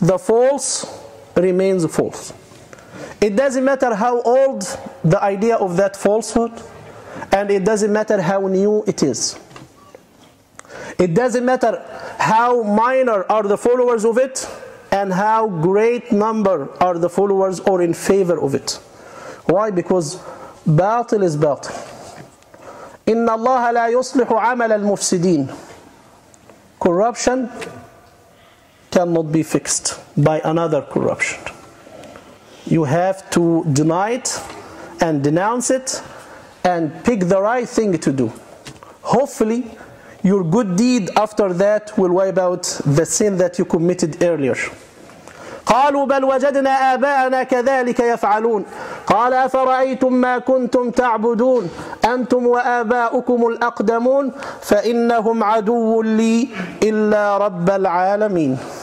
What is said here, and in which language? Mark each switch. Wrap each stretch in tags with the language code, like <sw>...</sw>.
<en>The false remains false. It doesn't matter how old the idea of that falsehood, and it doesn't matter how new it is. It doesn't matter how minor are the followers of it, and how great number are the followers or in favor of it. Why? Because Batil is Batil.</en> <ar>إن الله لا يصلح عمل المفسدين.</ar> <en>Corruption cannot be fixed by another corruption. You have to deny it and denounce it and pick the right thing to do. Hopefully, your good deed after that will wipe out the sin that you committed earlier.</en> <ar>قالوا بل وجدنا آباءنا كذلك يفعلون. قال أفرأيتم ما كنتم تعبدون أنتم وآباؤكم الأقدمون فإنهم عدو لي إلا رب العالمين.</ar>